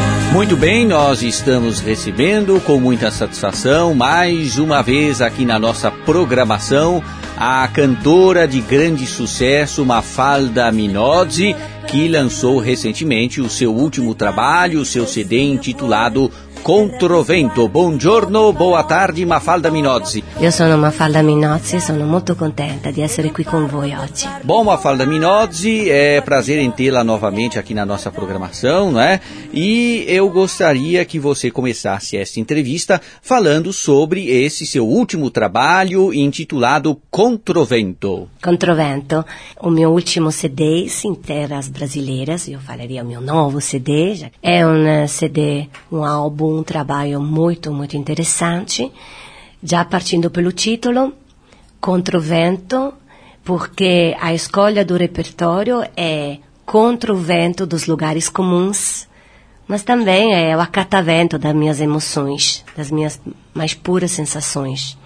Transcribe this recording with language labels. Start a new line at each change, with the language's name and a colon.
Portuguese: Muito bem, nós estamos recebendo com muita satisfação, mais uma vez aqui na nossa programação, a cantora de grande sucesso, Mafalda Minozzi, que lançou recentemente o seu último trabalho, o seu CD intitulado Controvento.
Italian: Buongiorno,
Portuguese: boa tarde, Mafalda Minozzi. Eu sou
Italian: Mafalda Minozzi e sono molto contenta di essere qui con voi oggi.
Portuguese: Bom, Mafalda Minozzi, é prazer em tê-la novamente aqui na nossa programação, não é? E eu gostaria que você começasse esta entrevista falando sobre esse seu último trabalho intitulado Controvento. Controvento, o meu último CD em terras brasileiras, eu falaria o meu novo CD, é um CD, um álbum, um trabalho muito, muito interessante, já partindo pelo título, Contra o Vento, porque a escolha do repertório é contra o vento dos lugares comuns, mas também é o acatamento das minhas emoções, das minhas mais puras sensações.